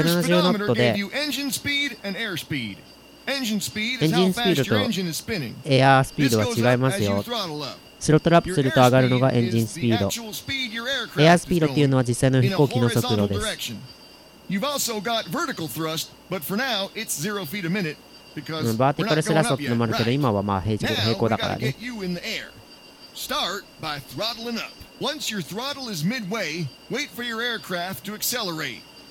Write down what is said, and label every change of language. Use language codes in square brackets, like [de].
[en] 173.8 knots. Engine speed 20,900 RPM. You want to be around 170 knots before launching. Typically, if you throttle up to midway, you'll be at a good launching speed. Your chronometer gave you engine speed and airspeed. Engine speed is how fast your engine is spinning. [ja] Air speed は違いますよ。スロットルアップすると上がるのがエンジンスピード。エアスピードっていうのは実際の飛行機の速度です。 [en] You've also got vertical thrust, but for now it's 0 feet a minute because we're not going up yet. [ja] バーティカルスラストってのもあるけど、今はまあ平行だからね。 [en] Now we gotta get you in the air. Start by throttling up. Once your throttle is midway, wait for your aircraft to accelerate.